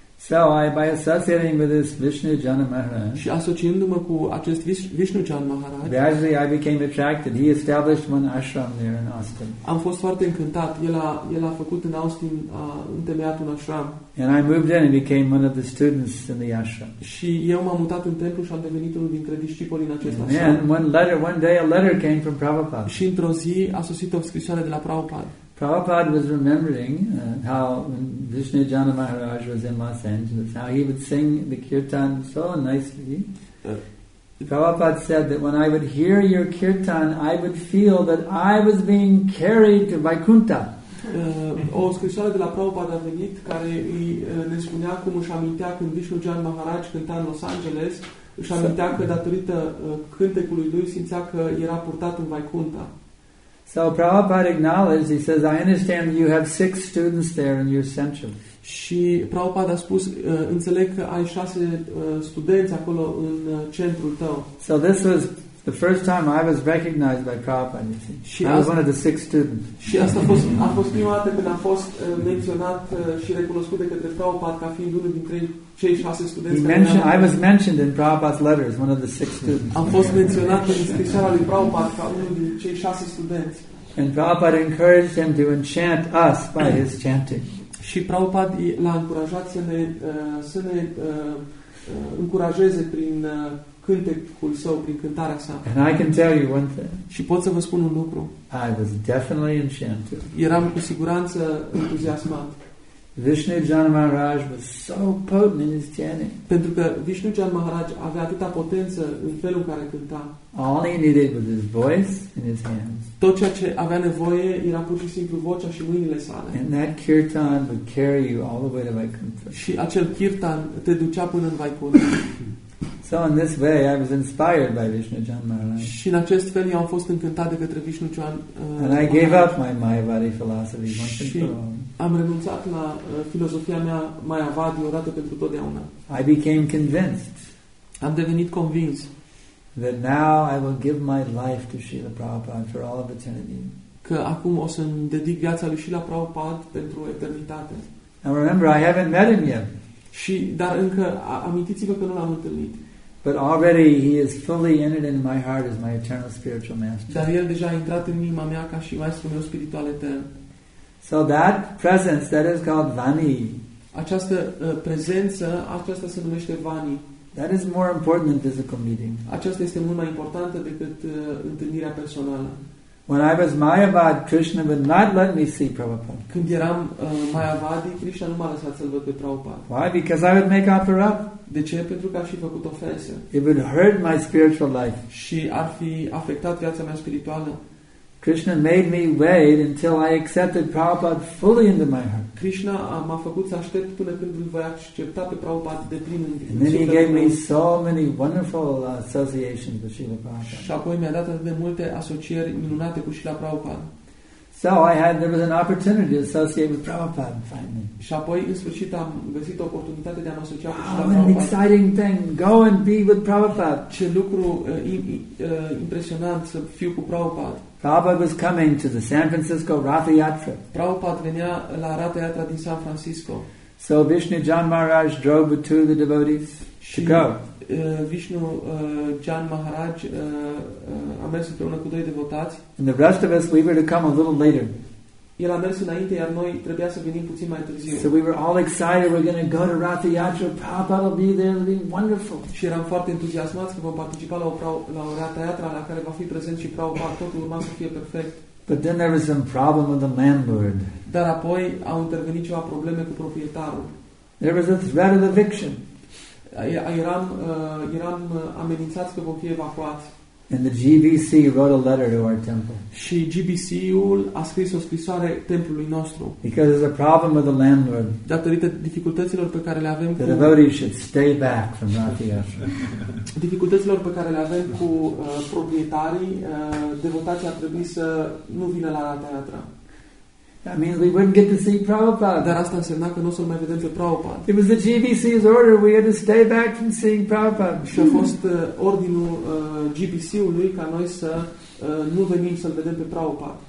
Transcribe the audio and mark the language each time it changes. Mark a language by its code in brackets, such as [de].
[en] So I, by associating with this Vishnujan Maharaj. [ro] Și asociindu-mă cu acest Vishnujan Maharaj. [en] Gradually I became attracted. He established one ashram there in Austin. [ro] Am fost foarte încântat. El a făcut în Austin, a întemeiat un ashram. [en] And I moved in and became one of the students in the ashram. [ro] Și eu m-am mutat în templu și am devenit unul dintre discipolii în acest ashram. [en] And one day a letter came from Prabhupada. [ro] Și într-o zi a sosit o scrisoare de la Prabhupada. [en] Prabhupada was remembering how Vishnujana Maharaj was in Los Angeles, how he would sing the kirtan so nicely. Prabhupada said that when I would hear your kirtan, I would feel that I was being carried to Vaikuntha. [ro] O scrisoare de la Prabhupada a venit care ne spunea cum își amintea când Vishnujana Maharaj cânta în Los Angeles, își amintea că datorită cântecului lui simțea că era purtat în Vaikuntha. [en] So Prabhupada acknowledged, he says, I understand you have 6 students there in your center. [ro] Și Prabhupada a spus, înțeleg că ai 6 studenți acolo în centrul tău. [en] So this was the first time I was recognized by Prabhupada. I was one of the 6 students. [ro] Și asta a fost prima dată când a fost menționat și recunoscut de către Prabhupada ca fiind unul dintre cei 6 studenți. [en] I was mentioned in Prabhupada's letters, one of the 6 students. [ro] Am fost menționat în scrisoarea lui Prabhupada ca unul dintre cei 6 studenți. [en] And Prabhupada encouraged him to enchant us by his chanting. [ro] Și Prabhupada l-a încurajat să ne încurajeze prin cântecul său, prin cântarea sa. [en] And I can tell you one thing. [ro] Și pot să vă spun un lucru. [en] I was definitely enchanted. [ro] Eram cu siguranță entuziasmat. [en] Vishnujana Maharaj was so potent in his chanting. [ro] Pentru că Vishnujana Maharaj avea atâta potență în felul în care cânta. [en] All he needed was his voice and his hands. [ro] Tot ceea ce avea nevoie era pur și simplu vocea și mâinile sale. [en] And that kirtan would carry you all the way to Vaikuntha. [ro] Și acel kirtan te ducea până în Vaikuntha. [en] So in this way I was inspired by Vishnujana Maharaj. [ro] Și în acest fel eu am fost încântat de către Vishnujana. [en] And I gave up my Mayavadi philosophy once and for all. [ro] Am renunțat la filozofia mea Mayavadi odată pentru totdeauna. [en] I became convinced. [ro] Am devenit convins. [en] That now I will give my life to Srila Prabhupada for all of eternity. [ro] Că acum o să-mi dedic viața lui Srila Prabhupada pentru eternitate. [en] Now remember, I haven't met him yet. [ro] Și dar încă amintiți-vă că nu l-am întâlnit. [en] But already he is fully entered into my heart as my eternal spiritual master. [ro] Dar el deja a intrat în inima mea ca și maestrul meu spiritual etern. [en] So that presence, that is called vani. [ro] Această prezență, aceasta se numește vani. [en] That is more important than physical meeting. [ro] Aceasta este mult mai importantă decât întâlnirea personală. [en] When I was Mayavad, Krishna would not let me see Prabhupada. [ro] Când eram Mayavadi, Krishna nu m-a lăsat să-l văd pe Prabhupada. [en] Why? Because I would make offer up. [ro] De ce? Pentru că aș fi făcut ofensă. [en] It would hurt my spiritual life. [ro] Și ar fi afectat viața mea spirituală. [en] Krishna made me wait until I accepted Prabhupada fully into my heart. [ro] Krishna m-a făcut să aștept până când îl voi accepta pe Prabhupada deplin în viață. [en] And he gave me so many wonderful associations with Srila Prabhupada. [ro] Și apoi mi-a dat atât de multe asocieri minunate cu Srila Prabhupada. [en] So I had there was an opportunity to associate with Prabhupada finally. [ro] Și apoi în sfârșit am găsit oportunitatea de a mă asocia cu Srila [en] Prabhupada. An exciting thing. Go and be with Prabhupada. [ro] Ce lucru impresionant să fiu cu Prabhupada. [en] Prabhupada was coming to the San Francisco Ratha Yatra. [ro] Prabhupada venea la Ratha Yatra din San Francisco. [en] So Vishnujan Maharaj drove with 2 of the devotees to go. [ro] Vishnujan Maharaj a mers împreună cu 2 devotați. [en] And the rest of us, we were to come a little later. [ro] El a mers înainte, iar noi trebuia să venim puțin mai târziu. [en] So we were all excited, we're going to go to Ratha Yatra. Prabhupada will be there, it'll be wonderful. [ro] Și eram foarte entuziasmați că vom participa la o Ratha Yatra la care va fi prezent și Prabhupada, totul urma să fie perfect. [en] But then there was some problem with the landlord. [ro] Dar apoi au intervenit ceva probleme cu proprietarul. [en] There was a threat of eviction. [ro] eram amenințați că vom fi evacuați. [en] And the GBC wrote a letter to our temple. [ro] Și GBC-ul a scris o scrisoare templului nostru. [en] Because there's a problem with the landlord. [ro] Datorită dificultăților pe care le avem cu. [en] The devotees should stay back from Rathiyas. [ro] Dificultăților pe care le avem cu proprietarii, devotații ar trebui să nu vină la Rathiyatra. [en] That means we wouldn't get to see Prabhupada. [ro] Dar asta însemna că nu o să-l mai vedem pe Prabhupada. [en] It was the GBC's order. We had to stay back from seeing Prabhupada. [ro] Și a fost ordinul GBC-ului ca noi să nu venim să-l vedem pe Prabhupada.